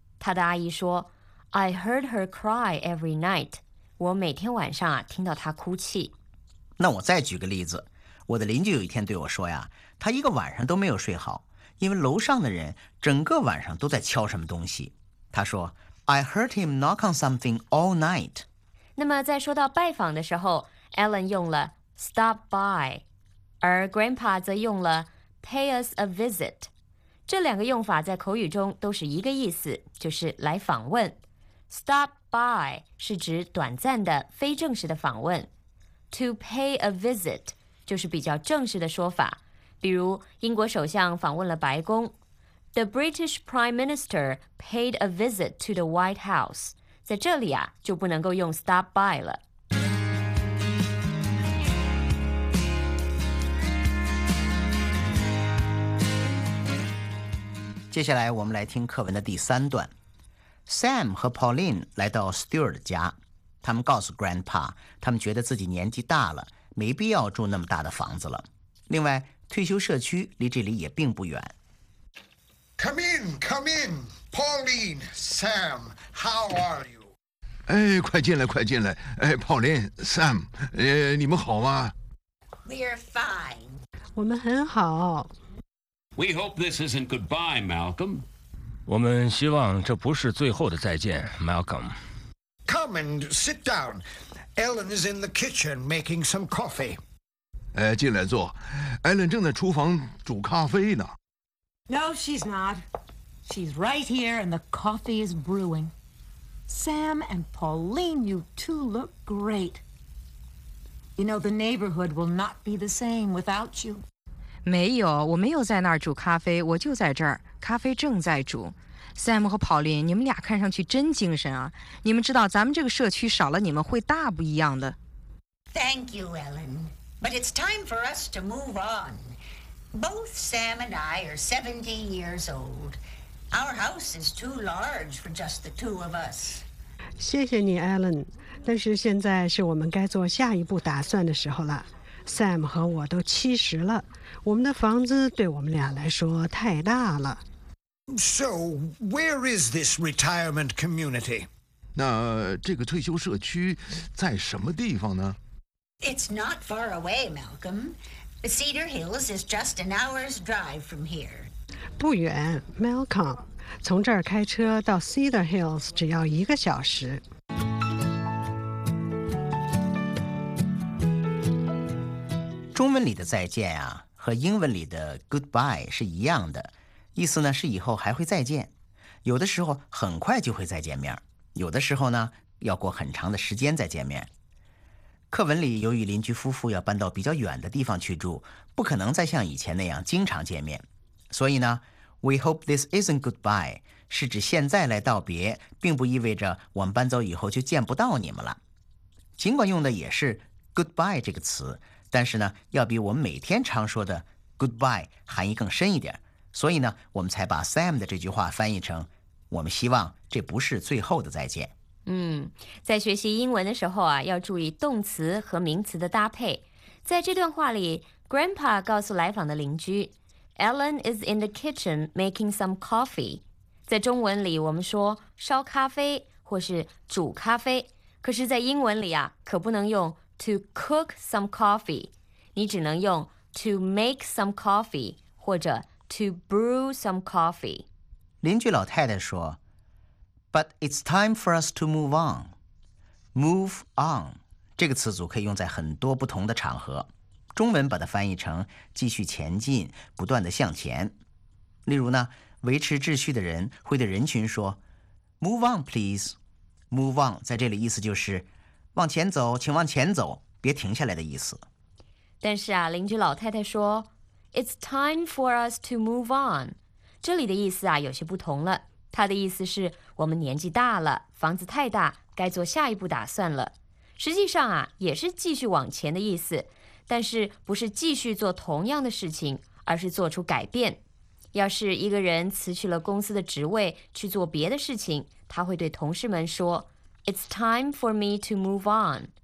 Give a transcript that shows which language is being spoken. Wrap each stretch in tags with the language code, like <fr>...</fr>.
<zh>她的阿姨说</zh> <en>I heard her cry every night，</en> <zh>我每天晚上啊听到她哭泣。那我再举个例子，我的邻居有一天对我说呀，她一个晚上都没有睡好，因为楼上的人整个晚上都在敲什么东西。他说</zh> <en>I heard him knock on something all night。</en> <zh>那么在说到拜访的时候， Alan 用了 stop by， 而 Grandpa 则用了</zh> <en>pay us a visit。</en> <zh>这两个用法在口语中都是一个意思，就是来访问。 stop by 是指短暂的非正式的访问，</zh> <en>to pay a visit</en> <zh>就是比较正式的说法。比如英国首相访问了白宫，</zh> <en>The British Prime Minister paid a visit to the White House.</en> <zh>在这里啊，就不能够用 stop by 了。接下来我们来听课文的第三段。Sam 和 Pauline 来到 Stuart 家，他们告诉 Grandpa， 他们觉得自己年纪大了，没必要住那么大的房子了。另外，退休社区离这里也并不远。</zh> <en>Come in, come in. Pauline, Sam, how are you?</en> <zh>哎，快进来，快进来。哎 ，Pauline, Sam， 你们好吗</zh> <en>？We're fine.</en> <zh>我们很好。</zh> <en>We hope this isn't goodbye, Malcolm.</en> <zh>我们希望这不是最后的再见 ，Malcolm.</zh> <en>Come and sit down. Ellen is in the kitchen making some coffee.</en> <zh>哎，进来坐。 Ellen 正在厨房煮咖啡呢。</zh> <en>No, she's not. She's right here, and the coffee is brewing. Sam and Pauline, you two look great. You know, the neighborhood will not be the same without you.</en> <zh>没有，我没有在那儿煮咖啡，我就在这儿，咖啡正在煮。 Sam 和 Pauline, 你们俩看上去真精神啊。你们知道咱们这个社区少了你们会大不一样的。</zh> <en>Thank you, Ellen. But it's time for us to move on. Both Sam and I are 17 years old. Our house is too large for just the two of us.</en> <zh>谢谢你 Ellen, 但是现在是我们该做下一步打算的时候了。 Sam 和我都七十了，我们的房子对我们俩来说太大了。</zh> <en>So, where is this retirement community?</en> <zh>那这个退休社区在什么地方呢？</zh> <en>It's not far away, Malcolm. Cedar Hills is just an hour's drive from here.</en> <zh>不远 ,Malcolm. 从这儿开车到 Cedar Hills 只要一个小时。中文里的再见啊，和英文里的 goodbye 是一样的。意思呢是以后还会再见，有的时候很快就会再见面，有的时候呢要过很长的时间再见面。课文里由于邻居夫妇要搬到比较远的地方去住，不可能再像以前那样经常见面，所以呢</zh> <en>We hope this isn't goodbye</en> <zh>是指现在来道别，并不意味着我们搬走以后就见不到你们了。尽管用的也是 goodbye 这个词，但是呢要比我们每天常说的 goodbye 含义更深一点，所以呢我们才把 Sam 的这句话翻译成我们希望这不是最后的再见。嗯，在学习英文的时候啊，要注意动词和名词的搭配。在这段话里 Grandpa 告诉来访的邻居</zh> <en>Ellen is in the kitchen making some coffee。</en> <zh>在中文里我们说烧咖啡或是煮咖啡，可是在英文里啊，可不能用</zh> <en>to cook some coffee，</en> <zh>你只能用</zh> <en>to make some coffee</en> <zh>或者</zh> <en>To brew some coffee.</en> <zh>邻居老太太说</zh> <en>But it's time for us to move on. Move on.</en> <zh>这个词组可以用在很多不同的场合。中文把它翻译成继续前进，不断地向前。例如呢，维持秩序的人会对人群说</zh> <en>Move on, please.</en> <zh>Move on 在这里意思就是往前走，请往前走，别停下来的意思。但是啊，邻居老太太说</zh> <en>It's time for us to move on.</en> <zh>这里的意思啊，有些不同了。它的意思是我们年纪大了，房子太大，该做下一步打算了。实际上啊，也是继续往前的意思，但是不是继续做同样的事情，而是做出改变。要是一个人辞去了公司的职位去做别的事情，他会对同事们说</zh> <en>It's time for me to move on.</en>